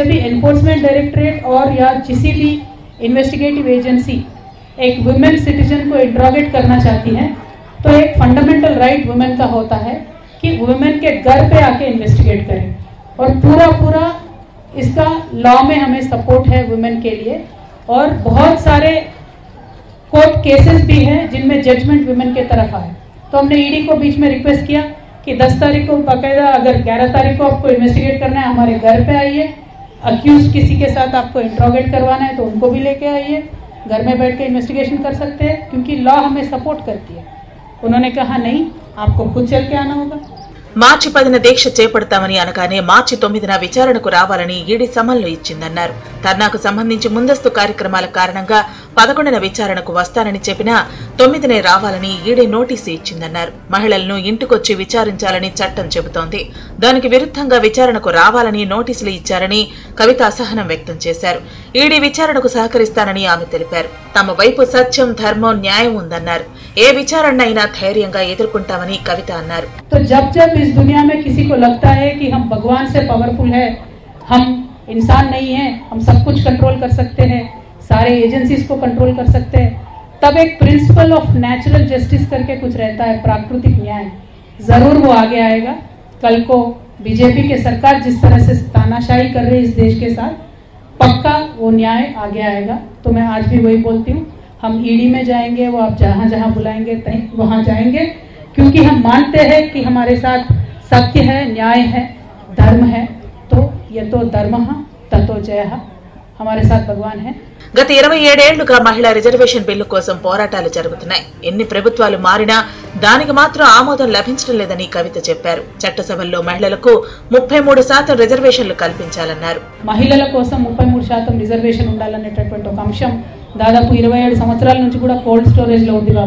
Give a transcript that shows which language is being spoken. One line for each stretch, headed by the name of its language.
Hindi: Enforcement directorate are yeah కిసీ Bhi investigative agency Ek women citizen co interrogate కర్నా చాహతీ high తో ఏక్ fundamental right women కా హోతా high కి women కే Ghar pay ఆకే investigate కరే ఔర్ పూరా పూరా ఇస్కా లా మే హమే support high women కే లియే और बहुत सारे कोर्ट केसेस भी हैं जिनमें जजमेंट वुमेन के तरफ आए. तो हमने ईडी को बीच में रिक्वेस्ट किया कि 10 तारीख को बाकायदा अगर 11 तारीख को आपको इन्वेस्टिगेट करना है हमारे घर पे आइए. अक्यूज किसी के साथ आपको इंट्रोगेट करवाना है तो उनको भी लेके आइए. घर में बैठ के इन्वेस्टिगेशन कर सकते हैं क्योंकि लॉ हमें सपोर्ट करती है. उन्होंने कहा नहीं आपको खुद चल के आना होगा.
Telugu: మార్చి 10న దీక్ష చేపడతామని అనగానే మార్చి 9న విచారణకు రావాలని ఈడీ సమన్లు ఇచ్చిందన్నారు. ధర్నాకు సంబంధించి ముందస్తు కార్యక్రమాల కారణంగా 11న విచారణకు వస్తానని చెప్పినా 9నే రావాలని ఈడీ నోటీసు ఇచ్చిందన్నారు. మహిళలను ఇంటికొచ్చి విచారించాలని చట్టం చెబుతోంది. దానికి విరుద్ధంగా విచారణకు రావాలని నోటీసులు ఇచ్చారని కవిత అసహనం వ్యక్తం చేశారు. ఈడీ విచారణకు సహకరిస్తానని ఆమె తెలిపారు. తమ వైపు సత్యం ధర్మం న్యాయం ఉందన్నారు. ఏ విచారణ అయినా ధైర్యంగా ఎదుర్కొంటామని కవిత అన్నారు.
Hindi: इस दुनिया में किसी को लगता है कि हम भगवान से पावरफुल है, हम इंसान नहीं है, हम सब कुछ कंट्रोल कर सकते हैं, सारे एजेंसीज को कंट्रोल कर सकते हैं, तब एक प्रिंसिपल ऑफ नेचुरल जस्टिस करके कुछ रहता है, प्राकृतिक न्याय, जरूर वो आगे आएगा. कल को बीजेपी के सरकार जिस तरह से तानाशाही कर रही है इस देश के साथ, पक्का वो न्याय आगे आएगा. तो मैं आज भी वही बोलती हूँ, हम ईडी में जाएंगे, वो आप जहां जहां बुलाएंगे वहां जाएंगे, क्योंकि हम मानते हैं कि हमारे साथ सत्य है, न्याय है, धर्म है. तो ये तो धर्म है ततो जय है, हमारे साथ भगवान है.
Telugu: గత 27 ఏళ్లుగా మహిళా రిజర్వేషన్ బిల్లు కోసం పోరాటాలు జరుగుతున్నాయి. ఎన్ని ప్రభుత్వాలు మారినా దానికి మాత్రం ఆమోదం లభించడం లేదని కవిత చెప్పారు. చట్టసభల్లో మహిళలకు 33% రిజర్వేషన్లు కల్పించాలన్నారు. మహిళల కోసం 33% రిజర్వేషన్ ఉండాలనేటటువంటి ఒక అంశం దాదాపు 27 సంవత్సరాల నుంచి కూడా కోల్డ్ స్టోరేజ్ లో ఉంది.